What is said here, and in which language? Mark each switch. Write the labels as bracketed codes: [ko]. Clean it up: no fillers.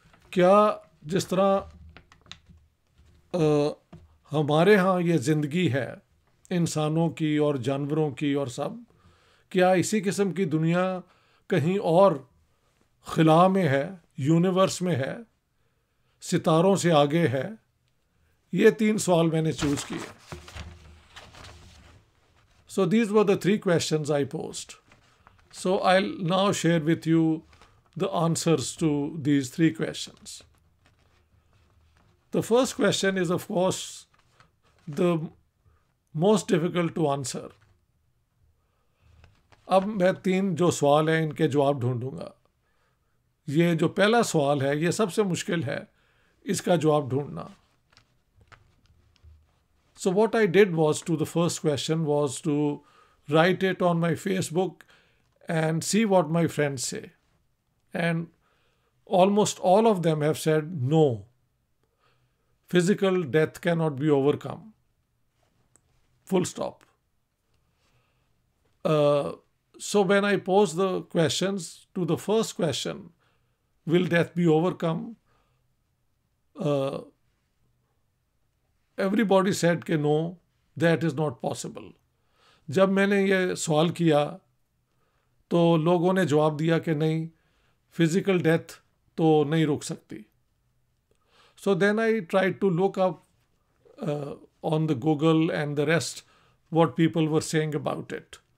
[ur] کیا جس طرح ہمارے ہاں یہ زندگی ہے، انسانوں کی اور جانوروں کی اور سب، کیا اسی قسم کی دنیا کہیں اور خلا میں ہے، یونیورس میں ہے، ستاروں سے آگے ہے؟ یہ تین سوال میں نے چوز کیے. [en] So these were the three questions I posed. So I'll now share with you the answers to these three questions. The first question is, of course, the most difficult to answer. [ur] اب میں تین جو سوال ہیں ان کے جواب ڈھونڈوں گا. یہ جو پہلا سوال ہے یہ سب سے مشکل ہے، اس کا جواب ڈھونڈنا. [en] So what I did was to the first question was to write it on my Facebook and see what my friends say. And almost all of them have said no, physical death cannot be overcome. Full stop. So when I posed the questions to the first question, will death be overcome? Everybody said کہ no, that is not possible. [ur] جب میں نے یہ سوال کیا تو لوگوں نے جواب دیا کہ نہیں، فزیکل ڈیتھ تو نہیں رک سکتی. [en] So then I try to look up on the Google and the rest what people were saying about it.